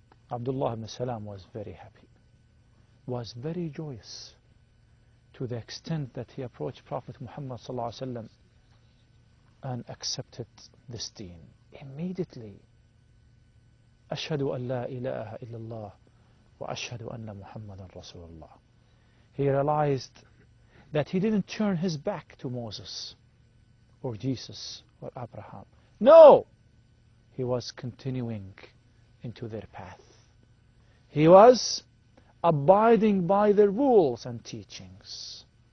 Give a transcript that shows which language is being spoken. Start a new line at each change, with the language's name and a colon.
English: Abdullah ibn Salam was very happy, was very joyous, to the extent that he approached Prophet Muhammad sallallahu alaihi wasallam and accepted this deen immediately.
Arabic: أشهد أن لا إله إلا الله وأشهد أن محمدا رسول الله.
English: He realized that he didn't turn his back to Moses or Jesus or Abraham. No! He was continuing into their path. He was abiding by their rules and teachings.